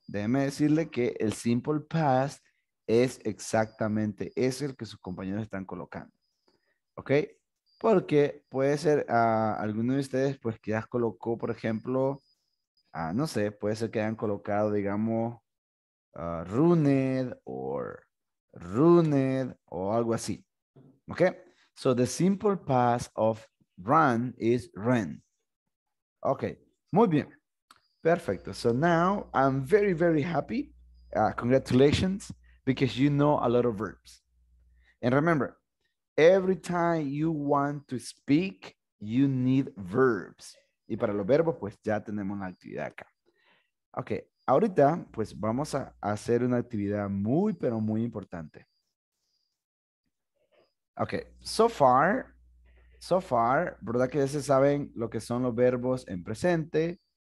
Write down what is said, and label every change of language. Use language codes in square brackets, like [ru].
[es] Déjeme decirle que el simple past es exactamente ese el que sus compañeros están colocando. ¿Ok? Porque puede ser alguno de ustedes, pues, que ya colocó, por ejemplo, no sé, puede ser que hayan colocado, digamos, runed o algo así. ¿Ok? [en] So the simple past of run is ran. Ok, [es] muy bien. Perfecto. [en] So now I'm very, very happy. Congratulations, because you know a lot of verbs. And remember, every time you want to speak, you need verbs. [es] Y para los verbos, pues ya tenemos la actividad acá. Ok, ahorita pues vamos a hacer una actividad muy, pero muy importante. Ok, [en] so far, [es] ¿verdad que ya se saben lo que son los verbos en presente?